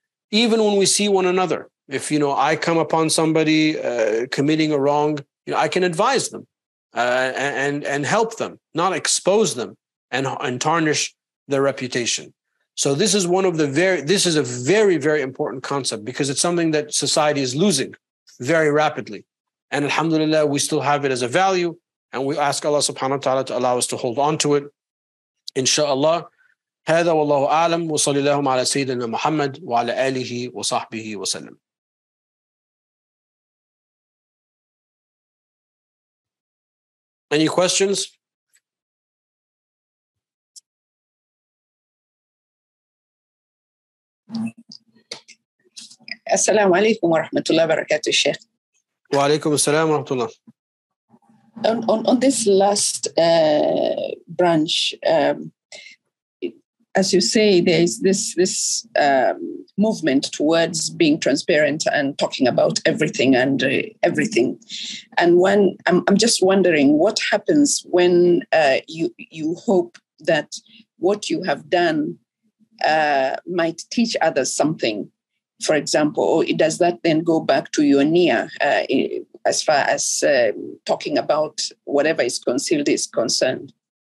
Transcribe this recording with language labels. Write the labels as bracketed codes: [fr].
[en] Even when we see one another, if, you know, I come upon somebody committing a wrong, you know, I can advise them and help them, not expose them and tarnish their reputation. So this is one of the very important concept, because it's something that society is losing very rapidly. And alhamdulillah, we still have it as a value, and we ask Allah subhanahu wa ta'ala to allow us to hold on to it, inshallah. [ar] هذا والله أعلم وصلى الله على سيدنا محمد وعلى آله وصحبه وسلم. [en] Any questions? [ar] السلام عليكم ورحمة الله وبركاته الشيخ. وعليكم السلام ورحمة الله. [en] On this last branch, as you say, there is this movement towards being transparent and talking about everything and everything. And when I'm just wondering what happens when you hope that what you have done might teach others something, for example, or does that then go back to your niyyah as far as talking about whatever is concealed is concerned?